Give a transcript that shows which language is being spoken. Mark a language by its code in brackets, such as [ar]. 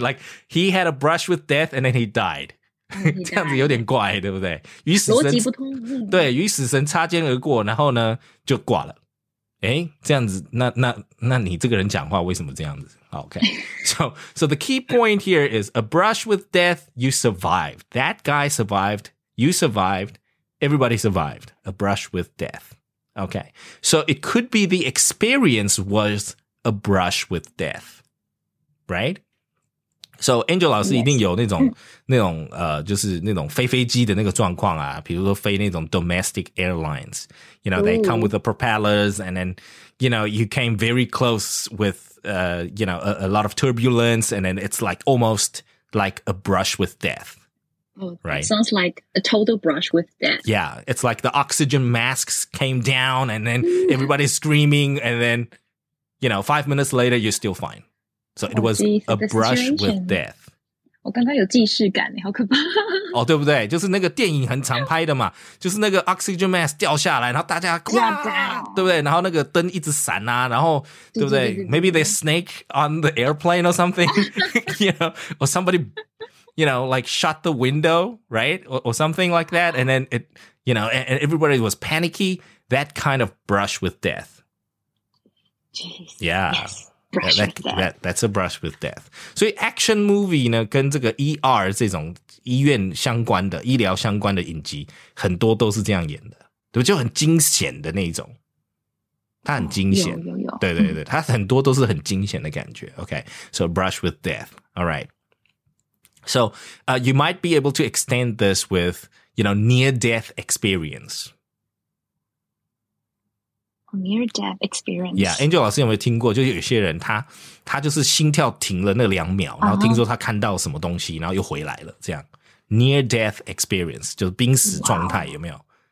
[en] Like, he had a brush with death and then he died. [zh] 这样子有点怪，对不对？与死神，对，与死神擦肩而过，然后呢，就挂了。诶，这样子，那你这个人讲话为什么这样子？ [en] Okay. So the key point here is a brush with death, you survived. That guy survived, you survived, everybody survived. A brush with death. Okay. So it could be the experience was a brush with death. Right? [zh] So Angel 老师一定有那种飞飞机的那个状况啊，比如说飞那种 [en] domestic airlines. You know, they come with the propellers and then, you know, you came very close with, you know, a lot of turbulence and then it's like almost like a brush with death. Oh, right? Sounds like a total brush with death. Yeah, it's like the oxygen masks came down and then everybody's screaming and then, you know, 5 minutes later, you're still fine. So it was a brush with death. [zh] 我刚刚有既视感，好可怕。哦，对不对？就是那个电影很常拍的嘛，就是那个 oxygen mask 掉下来，然后大家哇，对不对？然后那个灯一直闪啊，然后对不对 [en] ？Maybe there's snake on the airplane or something, you know, or somebody, you know, like shut the window, right, or something like that, and then it, you know, and everybody was panicky. That kind of brush with death. Jeez. Yeah. Yes. That's a brush with death. [zh] 所以 action movie 呢，跟这个 ER 这种医院相关的、医疗相关的影集，很多都是这样演的，对不对？就很惊险的那种，它很惊险，有对对对，它很多都是很惊险的感觉。 [en] Okay, so brush with death. All right. So, you might be able to extend this with, you know, near death experience. Near-death experience. [zh] Yeah, Angel 老师有没有听过？就有些人他就是心跳停了那两秒，然后听说他看到什么东西，然后又回来了。这样 near-death experience 就是濒死状态， wow. 有没有？